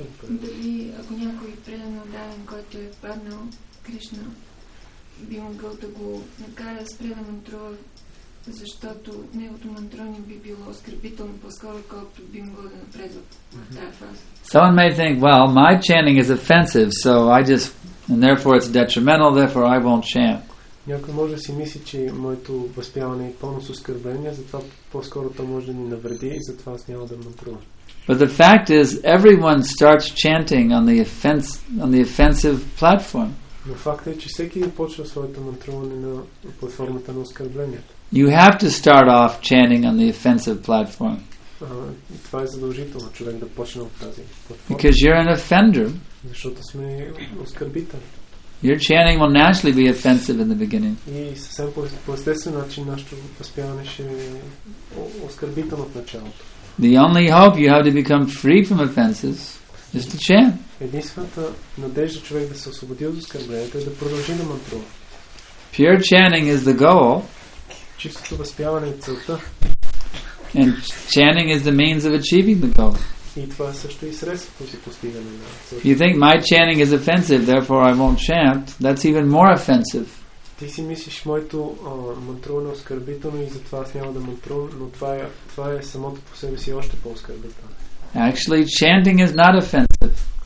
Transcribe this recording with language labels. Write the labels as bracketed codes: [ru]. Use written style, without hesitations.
[bg] Дали ако някой предано даден, който е паднал Кришна, би могъл да го накара спре на мантрова, защото негото мантро не би било оскърбително по-скоро, колкото би могъл да напредва в тази фаза. [en] Someone may think, well, my chanting is offensive, so I just, and therefore it's detrimental, therefore I won't chant. [bg] Някой може да си мисли, че моето възпяване е пълно с оскърбление, затова по-скоро то може да ни навреди и затова аз няма да мантрувам. [en] But the fact is, everyone starts chanting on the offensive platform. [bg] Но факт е, че всеки започва своето мантруване на платформата на оскърблението. [en] You have to start off chanting on the offensive platform. [bg] Това е задължително, човек да почне от тази платформа. [en] Because you're an offender. [bg] Защото сме оскърбители. [en] Your chanting will naturally be offensive in the beginning. [bg] И съвсем по естествен начин нашето възпяване ще е оскърбително от началото. [en] The only hope you have to become free from offenses is to chant. [bg] Единствената надежда човек да се освободи от оскърбленията е да продължи да мантрува. [en] Pure chanting is the goal. [bg] Чистото възпяване е целта. [en] And chanting is the means of achieving the goal. [bg] И това също и средството за постигане на целта. [en] You think my chanting is offensive, therefore I won't chant. That's even more offensive. [bg] Ти си мислиш моето мантруване оскърбително и затова аз няма да мантрувам, но това е самото по себе си още по-оскърбително. [en] Actually, chanting is not offensive.